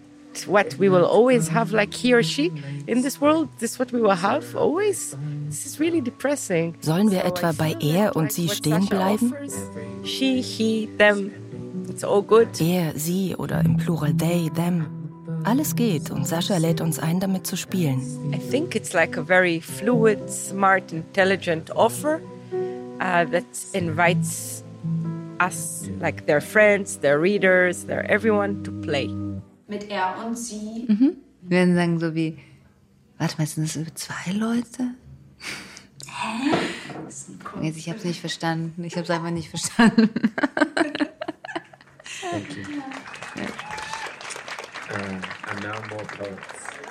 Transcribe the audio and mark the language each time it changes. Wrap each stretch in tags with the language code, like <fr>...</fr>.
<en>It's what we will always have, like he or she, in this world. This is what we will have always. This is really depressing.</en> <de>Sollen wir etwa bei er und sie stehen bleiben?</de> <en>She, he, them. It's all good.</en> <de>Er, sie oder im Plural they, them. Alles geht, und Sascha lädt uns ein, damit zu spielen.</de> <en>I think it's like a very fluid, smart, intelligent offer that invites us, like their friends, their readers, their everyone, to play.</en> <de>Mit er und sie. Mhm. Wir werden sagen so wie, warte mal, sind das über 2 Leute? Hä? Jetzt, ich habe es nicht verstanden. Ich habe es einfach nicht verstanden.</de> <en>Thank you. Yeah. And now more poets.</en>